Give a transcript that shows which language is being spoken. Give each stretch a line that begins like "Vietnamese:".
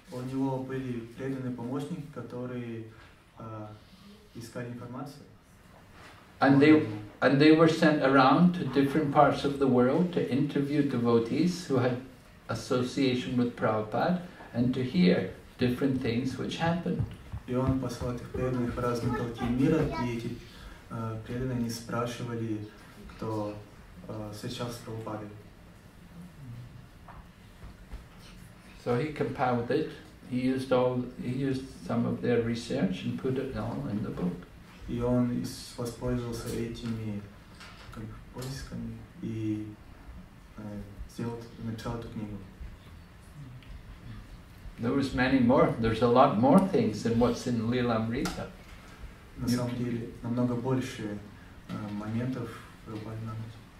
Russian: У него были преданные помощники, которые искали информацию.
English: And they were sent around to different parts of the world to interview devotees who had association with Prabhupada and to hear different things which happened.
Russian: И он послал этих преданных в разные уголки мира, и эти преданные не спрашивали, кто встречался с Прабхупадой.
English: So he compiled it. He used some of their research and put it all in the book.
Russian: И он воспользовался этими поисками и написал эту книгу.
English: There was many more. There's a lot more things than what's in Лиламрита.
Russian: На самом деле, намного больше моментов в Лиламрите.